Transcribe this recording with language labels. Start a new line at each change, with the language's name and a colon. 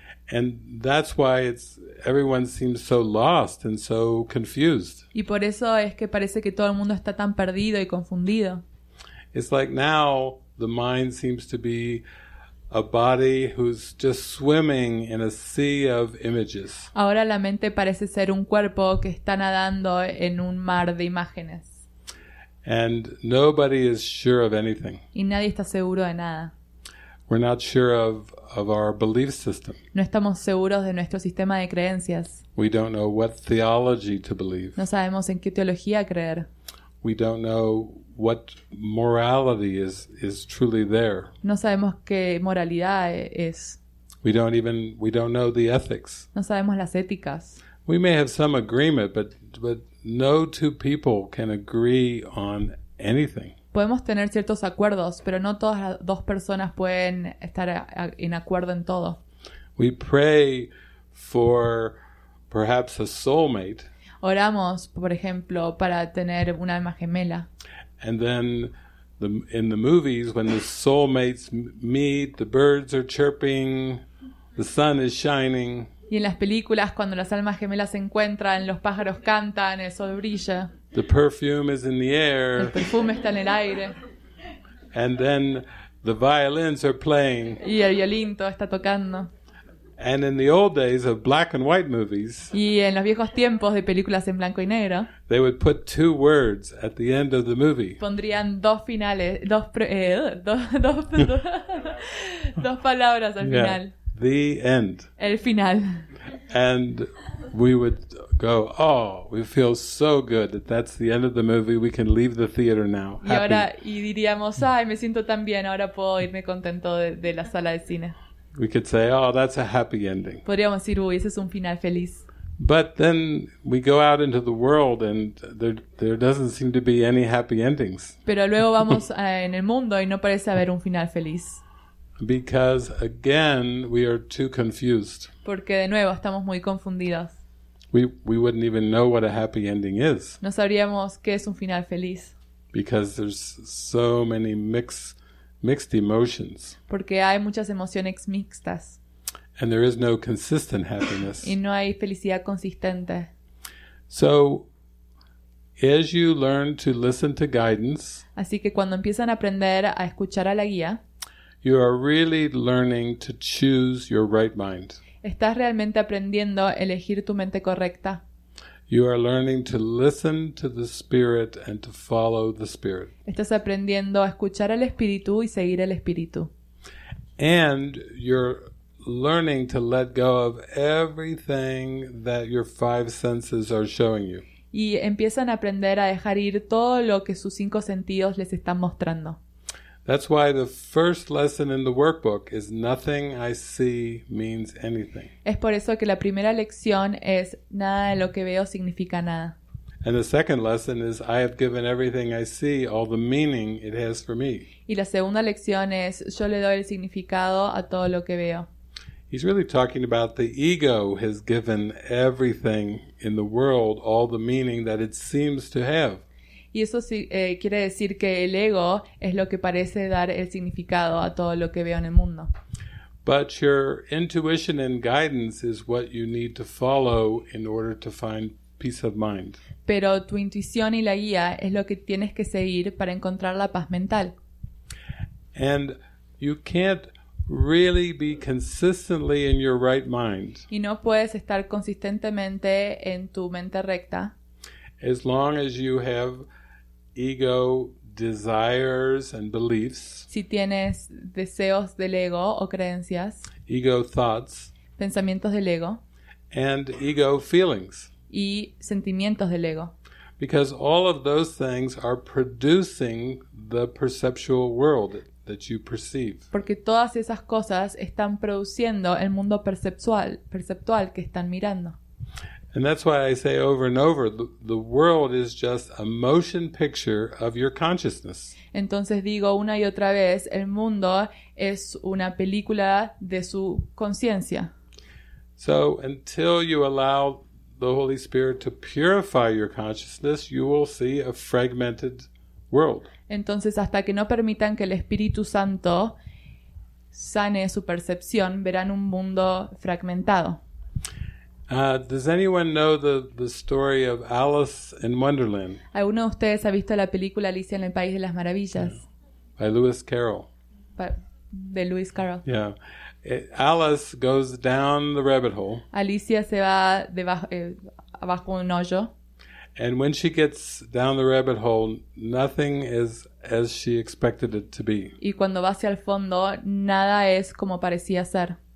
English: And that's why everyone seems so lost and so confused.
Spanish: Y por eso es que parece que todo el mundo está tan perdido y confundido.
English: It's like now the mind seems to be a body who's just swimming in a sea of images.
Spanish: Ahora la mente parece ser un cuerpo que está nadando en un mar de imágenes.
English: And nobody is sure of anything.
Spanish: Y nadie está seguro de nada.
English: We're not sure of our belief system.
Spanish: No estamos seguros de nuestro sistema de creencias.
English: We don't know what theology to believe.
Spanish: No sabemos en qué teología creer.
English: We don't know what morality is truly there.
Spanish: No sabemos qué moralidad es.
English: We don't know the ethics.
Spanish: No sabemos las éticas.
English: We may have some agreement, but no two people can agree on anything.
Spanish: Podemos tener ciertos acuerdos, pero no todas las dos personas pueden estar en acuerdo en todo.
English: We pray for perhaps a soulmate.
Spanish: Oramos, por ejemplo, para tener un alma gemela.
English: And then in the movies, when the soulmates meet, the birds are chirping, the sun is shining.
Spanish: Y en las películas, cuando las almas gemelas se encuentran, los pájaros cantan, el sol brilla.
English: The perfume is in the air.
Spanish: El perfume está en el aire.
English: And then the violins are playing.
Spanish: Y el violín todo está tocando.
English: And in the old days of black and white movies,
Spanish: y en los viejos tiempos de películas en blanco y negro,
English: they would put two words at the end of the movie.
Spanish: Pondrían dos finales, dos palabras al final.
English: Yeah, the end.
Spanish: El final.
English: And we would go, oh, we feel so good that that's the end of the movie. We can leave the theater now. Happy.
Spanish: Y diríamos, ay, me siento tan bien, ahora puedo irme contento de la sala de cine.
English: We could say, oh, that's a happy ending.
Spanish: Podríamos decir, uy, ese es un final feliz.
English: But then we go out into the world and there doesn't seem to be any happy endings.
Spanish: Pero luego vamos en el mundo y no parece haber un final feliz.
English: Because again we are too confused.
Spanish: Porque de nuevo estamos muy confundidos.
English: We wouldn't even know what a happy ending is.
Spanish: No sabríamos qué es un final feliz.
English: Because there's so many mixed emotions.
Spanish: Porque hay muchas emociones mixtas.
English: And there is no consistent happiness.
Spanish: Y no hay felicidad consistente.
English: So, as you learn to listen to guidance,
Spanish: así que cuando empiezan a aprender a escuchar a la guía,
English: you are really learning to choose your right mind.
Spanish: Estás realmente aprendiendo a elegir tu mente correcta.
English: You are learning to listen to the Spirit and to follow the Spirit.
Spanish: Estás aprendiendo a escuchar al Espíritu y seguir el Espíritu.
English: And you're learning to let go of everything that your five senses are showing you.
Spanish: Y empiezan a aprender a dejar ir todo lo que sus cinco sentidos les están mostrando.
English: That's why the first lesson in the workbook is nothing I see means anything.
Spanish: Es por eso que la primera lección es nada de lo que veo significa nada.
English: And the second lesson is I have given everything I see all the meaning it has for me.
Spanish: Y la segunda lección es yo le doy el significado a todo lo que veo.
English: He's really talking about the ego has given everything in the world all the meaning that it seems to have.
Spanish: Y eso quiere decir que el ego es lo que parece dar el significado a todo lo que veo en el mundo.
English: But your intuition and guidance is what you need to follow in order to find peace of mind.
Spanish: Pero tu intuición y la guía es lo que tienes que seguir para encontrar la paz mental.
English: And you can't really be consistently in your right mind.
Spanish: Y no puedes estar consistentemente en tu mente recta.
English: As long as you have ego desires and beliefs.
Spanish: Si tienes deseos del ego o creencias.
English: Ego thoughts.
Spanish: Pensamientos del ego.
English: And ego feelings.
Spanish: Y sentimientos del ego.
English: Because all of those things are producing the perceptual world that you perceive.
Spanish: Porque todas esas cosas están produciendo el mundo perceptual que están mirando.
English: And that's why I say over and over, the world is just a motion picture of your consciousness.
Spanish: Entonces digo una y otra vez, el mundo es una película de su conciencia.
English: So until you allow the Holy Spirit to purify your consciousness, you will see a fragmented world.
Spanish: Entonces, hasta que no permitan que el Espíritu Santo sane su percepción, verán un mundo fragmentado.
English: Does anyone know the story of Alice in Wonderland?
Spanish: ¿Alguno de ustedes ha visto la película Alicia en el País de las Maravillas?
English: Yeah. By Lewis Carroll.
Spanish: De Lewis Carroll.
English: Yeah. Alice goes down the rabbit hole.
Spanish: Alicia se va abajo un hoyo.
English: And when she gets down the rabbit hole, nothing is as she expected it to be.
Spanish: Y cuando va hacia el fondo, nada es como parecía ser.